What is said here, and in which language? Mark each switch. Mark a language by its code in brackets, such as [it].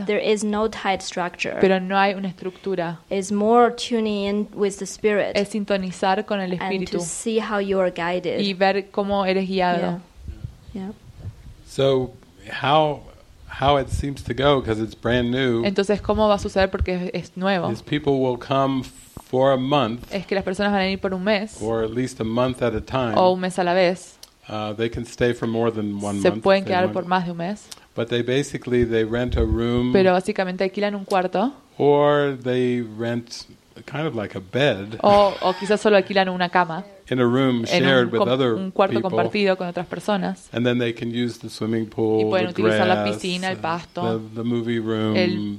[en] But there is no tight structure. [es] Pero no hay una estructura. [en] It's more tuning in with the spirit. [es] Es sintonizar con el espíritu. [en] And to see how you are guided. [es] Y ver cómo eres guiado. [en] Yeah. So how it seems to go because it's brand new. [es] Entonces cómo va a suceder porque es nuevo. [en] These people will come for a month. [es] Es que las personas van a ir por un mes. [en] Or at least a month at a time. [es] O un mes a la vez. [en] They can stay for more than one [es] se [en] month. [es] Se pueden quedar por más de un mes. [en] But they basically rent a room. [es] Pero básicamente alquilan un cuarto. [en] Or they rent kind of like a bed. [es] O quizás solo alquilan una cama. [en] In a room shared with other people. [es] Un cuarto compartido con otras personas. [en] And then they can use the swimming pool, [es] y pueden [en] the grass, [es] la piscina, el pasto, [en] the movie room,